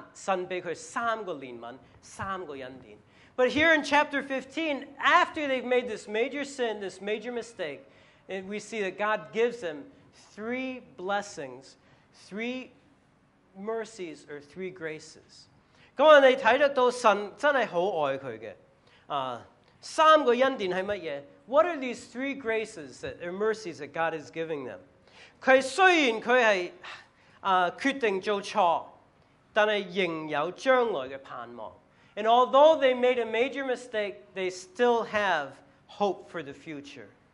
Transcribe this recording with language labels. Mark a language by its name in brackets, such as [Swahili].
[Chinese] 但是在15章刚刚发生了这件事之后呢,我看到神给他三个怜悯,三个恩典. [English] But here in chapter 15, after they've made this major sin, this major mistake, we see that God gives them three blessings, three mercies, or three graces. [Chinese] 那我们看到神真的很爱他的,三个恩典是什么? [English] What are these three graces that, or mercies that God is giving them? [Chinese] 他虽然他是决定做错,但是仍有将来的盼望. [English] And although they made a major mistake, they still have hope for the future.